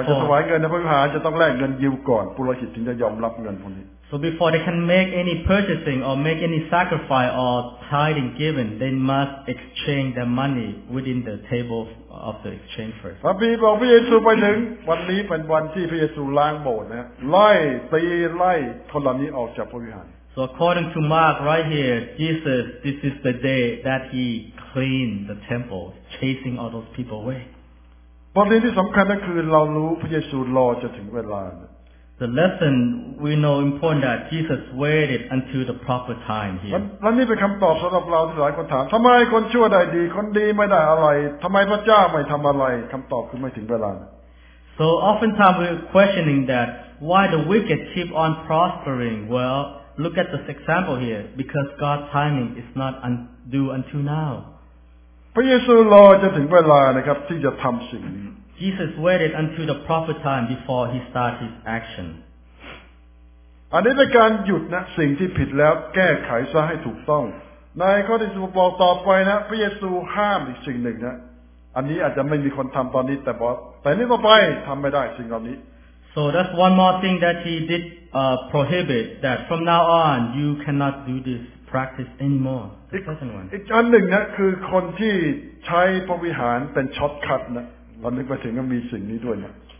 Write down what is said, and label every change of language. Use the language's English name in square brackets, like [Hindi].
[Thai] อนจะถวายเงินในพระวิหารจะต้องแลกเงินยิวก่อนปุโรหิตถึงจะยอมรับเงินพวกนี้ [English] So before they can make any purchasing or make any sacrifice or tithing given they must exchange their money within the table of the exchange first [Thai] พระบิดาพระเยซูไปถึงวันนี้เป็นวันที่พระเยซูล้างโบสถ์นะไล่ตีไล่คนเหล่านี้ออกจากพระวิหาร [English] So according to Mark right here Jesus this is the day that he cleaned the temple chasing all those people away [Thai] บทเรียนที่สำคัญก็คือเรารู้พระเยซูรอจนถึงเวลา [English] The lesson we know important that Jesus waited until the proper time here [Thai] และนี่เป็นคำตอบสำหรับเราที่หลายคนถามทำไมคนชั่วได้ดีคนดีไม่ได้อะไรทำไมพระเจ้าไม่ทำอะไรคำตอบคือไม่ถึงเวลา [English] So oftentimes we're questioning that why the wicked keep on prospering well look at this example here because God's timing is not due until now [Thai] พระเยซูรอจะถึงเวลานะครับที่จะทำสิ่งนี้ [English] Jesus waited until the proper time before he started his action [Thai] อันนี้เป็นการหยุดนะสิ่งที่ผิดแล้วแก้ไขซะให้ถูกต้องในข้อที่สุบอกต่อไปนะพระเยซูห้ามอีกสิ่งหนึ่งนะอันนี้อาจจะไม่มีคนทำตอนนี้แต่บอกแต่นี้ต่อไปทำไม่ได้สิ่งเหล่านี้ [English] So that's one more thing that he did prohibit that from now on you cannot do thisPractice anymore. [Thai] อีกอันหนึ่งนะคือคนที่ใช้พระวิหารเป็นช็อตคัทนะเรานึกไปถึงก็มีสิ่งนี้ด้วยนะ